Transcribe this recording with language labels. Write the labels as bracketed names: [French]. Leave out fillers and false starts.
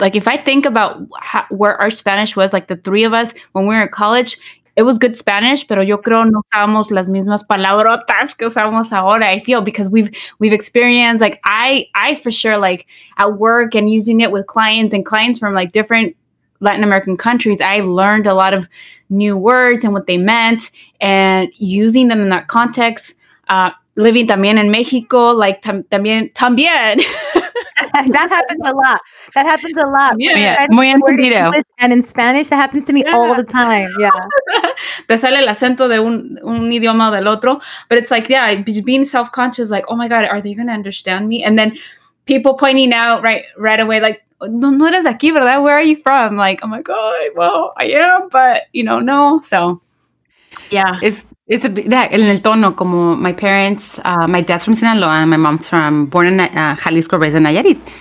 [English] Like if I think about where our Spanish was, like the three of us when we were in college, it was good Spanish, [Spanish] pero yo creo no usamos las mismas palabrotas que usamos ahora, [English] I feel, because we've experienced, like, I for sure, like, at work and using it with clients and clients from, like, different Latin American countries, I learned a lot of new words and what they meant and using them in that context. Living [Spanish] también en Mexico, like, también. [English] That happens a lot. That happens a lot. [Spanish] Yeah. Muy entendido. [English] And in Spanish, that happens to me all the time. Yeah. [Spanish] Te sale el acento de un idioma del otro. [English] But it's like, yeah, being self-conscious, like, oh my God, are they going to understand me? And then people pointing out right away, like, [Spanish] no, no eres aquí, ¿verdad? [English] Where are you from? Like, oh my God, well, I am, but, you know, no. So, yeah. It's a bit, yeah, [Spanish] en el tono, como [English] my parents, my dad's from Sinaloa and my mom's from, born in Jalisco, raised in Nayarit.